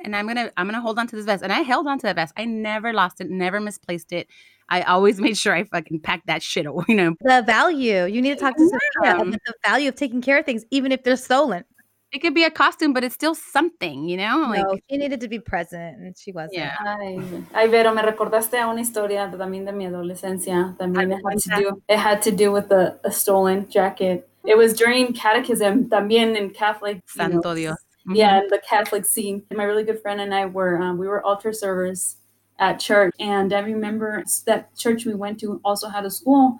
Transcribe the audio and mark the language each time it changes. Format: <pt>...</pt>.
<en>And I'm gonna hold on to this vest. And I held on to that vest. I never lost it, never misplaced it. I always made sure I fucking packed that shit away. You know? The value. You need to talk to somebody about the value of taking care of things, even if they're stolen. It could be a costume, but it's still something, you know? Like, no, she needed to be present, and she wasn't. Yeah.</en> <es>Ay, Vero, me recordaste a una historia también de mi adolescencia.</es> <en>It had to do with a stolen jacket. It was during catechism,</en> <es>también</es> <en>in Catholic.</en> <es>Santo Dios.</es> <en>Mm-hmm. Yeah, in the Catholic scene. My really good friend and I were, we were altar servers at church. And I remember that church we went to also had a school.</en>